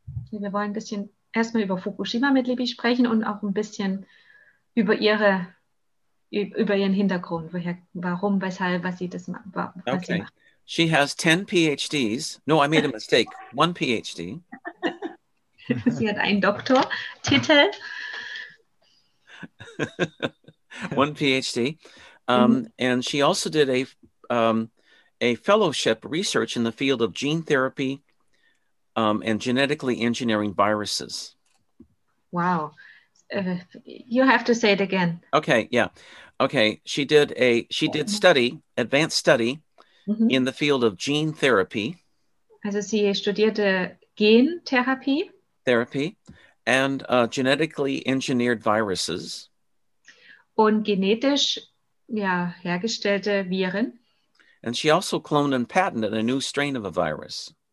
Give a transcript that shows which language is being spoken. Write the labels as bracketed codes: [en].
[de] Wir wollen ein bisschen erstmal über Fukushima mit Libby sprechen und auch ein bisschen über ihre über ihren Hintergrund, woher, warum, weshalb, was sie das was [en] okay. [de] sie macht. [en] She has 10 PhDs. No, I made a mistake. 1 PhD. [de] Sie hat einen Doktortitel. [en] 1 PhD. And she also did a fellowship research in the field of gene therapy and genetically engineering viruses. Wow. You have to say it again. Okay, yeah. Okay, she did advanced study mm-hmm. in the field of gene therapy. [de] Also sie studierte Gentherapie. [en] Therapy and genetically engineered viruses. [de] Und genetisch hergestellte Viren. [en] And she also cloned and patented a new strain of a virus.